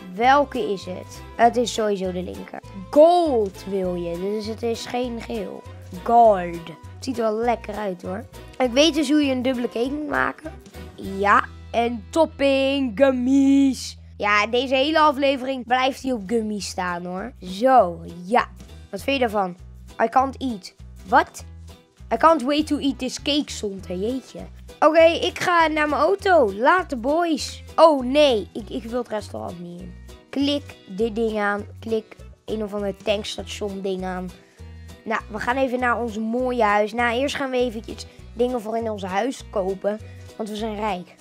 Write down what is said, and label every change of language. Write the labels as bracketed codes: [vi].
[nl] Welke is het? Het is sowieso de linker. Gold wil je, dus het is geen geel. Gold. Het ziet er wel lekker uit hoor. Ik weet dus hoe je een dubbele cake moet maken. Ja, en topping, gummies. Ja, deze hele aflevering blijft hij op gummies staan hoor. Zo, ja. Wat vind je daarvan? [en] I can't eat. What? I can't wait to eat this cake [nl] zonder, jeetje. Oké, ik ga naar mijn auto. Laat de boys. Oh nee, ik wil het restaurant niet in. Klik dit ding aan. Klik een of ander tankstation ding aan. Nou, we gaan even naar ons mooie huis. Nou, eerst gaan we eventjes dingen voor in ons huis kopen. Want we zijn rijk.